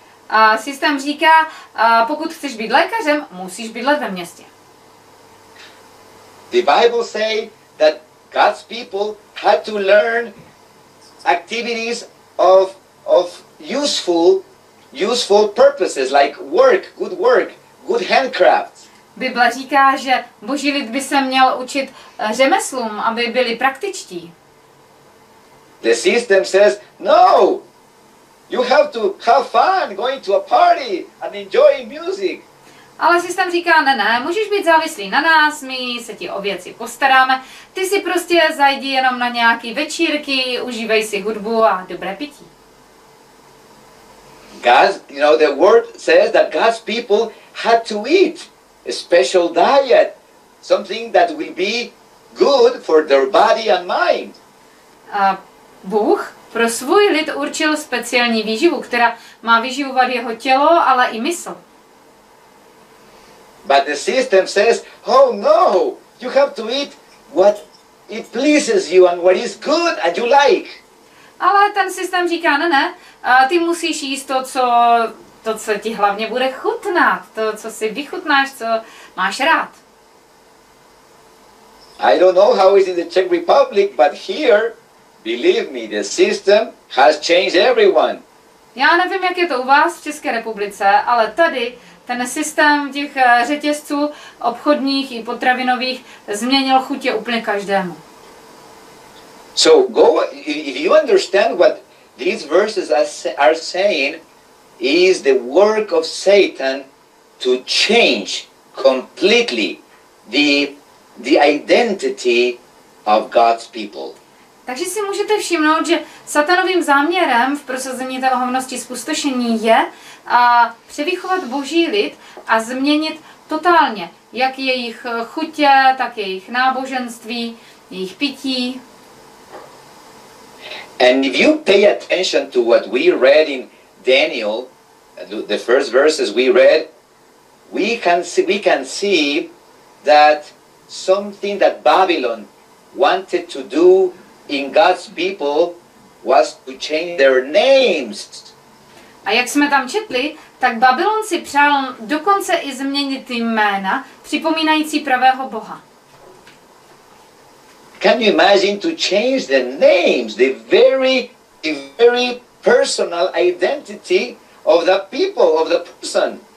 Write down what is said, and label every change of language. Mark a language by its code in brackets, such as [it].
[cs] A systém říká, pokud chceš být lékařem, musíš bydlet ve městě. [en] The Bible say that God's people had to learn activities of useful purposes, like work, good work, good handcrafts. [cs] Bible říká, že Boží lid by se měl učit řemeslům, aby byli praktičtí. [en] The system says, no, you have to have fun going to a party and enjoying music. [cs] Ale systém říká, ne, můžeš být závislý na nás, my se ti o věci postaráme, ty si prostě zajdi jenom na nějaký večírky, užívej si hudbu a dobré pití. [en] God, you know, the word says that God's people had to eat a special diet, something that will be good for their body and mind. [cs] Bůh pro svůj lid určil speciální výživu, která má vyživovat jeho tělo, ale i mysl. [en] But the system says, oh no, you have to eat what it pleases you and what is good and you like. [cs] Ale ten systém říká, ne, ty musíš jíst to, co ti hlavně bude chutnat, to, co si vychutnáš, co máš rád. [en] I don't know how it is in the Czech Republic, but here, believe me, the system has changed everyone. [cs] Já nevím, jak je to u vás v České republice, ale tady ten systém těch řetězců obchodních i potravinových změnil chutě úplně každému. [en] So go, if you understand what these verses are saying, is the work of Satan to change completely the identity of God's people. [cs] Takže si můžete všimnout, že satanovým záměrem v prosazení té ohavnosti zpustošení je převychovat boží lid a změnit totálně jak jejich chutě, tak jejich náboženství, jejich pití. [en] And if you pay attention to what we read in Daniel, the first verses we read, we can see that something that Babylon wanted to do in God's people was to change their names. [cs] A jak jsme tam četli, tak Babylon si přál dokonce i změnit jména, připomínající pravého Boha. [en] Can you imagine to change the names, the very personal identity of the people, of the person?